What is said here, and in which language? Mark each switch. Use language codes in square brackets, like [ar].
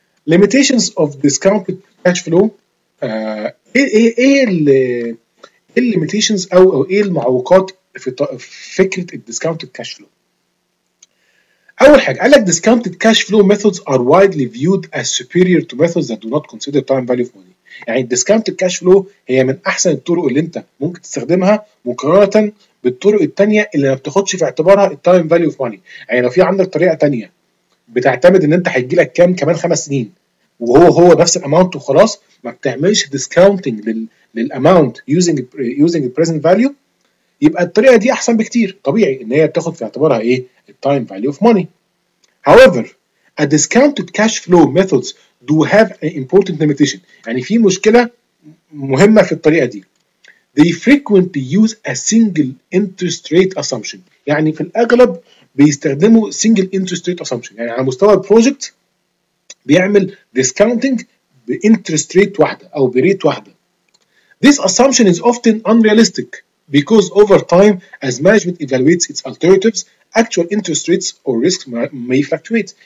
[en] limitations of discounted cash flow، [ar] ايه limitations او ايه المعوقات في فكره الديسكاونتد كاش فلو؟ اول حاجه قالك [en] discounted cash flow methods are widely viewed as superior to methods that do not consider time value of money. [ar] يعني discounted cash flow هي من احسن الطرق اللي انت ممكن تستخدمها مقارنه بالطرق الثانيه اللي ما بتاخدش في اعتبارها التايم فاليو اوف ماني. يعني لو في عندك طريقه ثانيه بتعتمد ان انت هيجي لك كام كمان 5 سنين وهو نفس الاماونت وخلاص، ما بتعملش discounting للاماونت using present value، يبقى الطريقه دي احسن بكتير، طبيعي ان هي بتاخد في اعتبارها ايه التايم فاليو اوف ماني. [en] however a discounted cash flow methods do have an important limitation. [ar] يعني في مشكله مهمه في الطريقه دي. [en] they frequently use a single interest rate assumption. [ar] يعني في الاغلب بيستخدموا single interest rate assumption، يعني على مستوى البروجكت بيعمل discounting بانترست ريت واحده او بريت واحده. [en] this assumption is often unrealistic because over time as management evaluates its alternatives actual interest rates or risks may fluctuate.